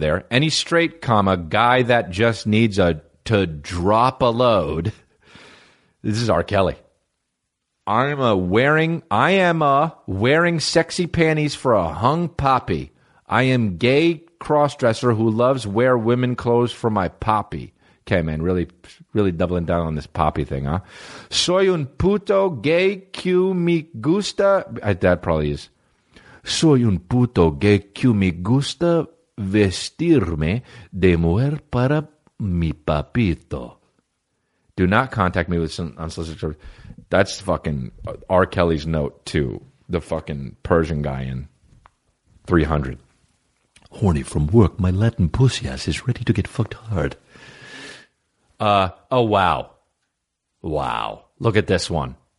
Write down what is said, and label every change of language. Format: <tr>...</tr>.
<en>Any straight, comma, guy that just needs to drop a load. This is R. Kelly. I am wearing sexy panties for a hung poppy. I am gay crossdresser who loves wear women clothes for my poppy. Okay, man, really, really doubling down on this poppy thing, huh?</en> <es>Soy un puto gay que me gusta.</es> <en>That probably is.</en> <es>Soy un puto gay que me gusta vestirme de mujer para mi papito.</es> <en>Do not contact me with some unsolicited. That's fucking R. Kelly's note to the fucking Persian guy in 300. Horny from work, my Latin pussy ass is ready to get fucked hard. Wow. Look at this one.</en>